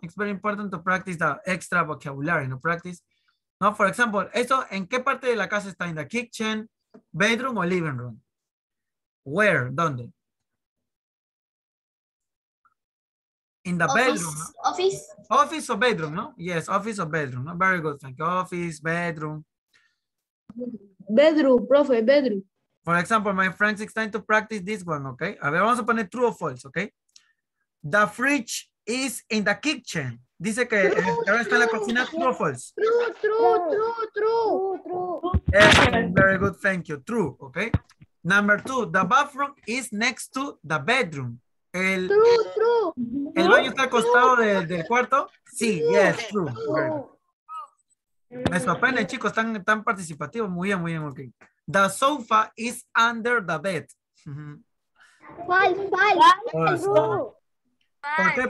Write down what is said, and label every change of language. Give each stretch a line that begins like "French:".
English: It's very important to practice the extra vocabulary, ¿no? Practice, ¿no? For example,
Spanish: ¿esto en qué parte de la casa está?
English: ¿En the kitchen, bedroom o living room? Where, ¿dónde? In the office, bedroom, ¿no? Office. Office or bedroom, ¿no? Yes, office or bedroom, ¿no? Very good, thank you. Office, bedroom. Bedroom, profe, bedroom. For example, my friends, it's time to practice this one, okay?
Spanish: A ver, vamos a poner
English: true or false, okay? The fridge is in the kitchen.
Spanish: Dice que ahora está en la cocina,
English: true or false? True. Very good, thank you. True, okay? Number two, the bathroom is next to the bedroom.
Spanish: El baño está al costado del cuarto. Sí, yes, true. Me sorprende, chicos, tan, tan participativos. Muy bien, ok.
English: The sofa is under the bed.
Spanish: ¿Por qué?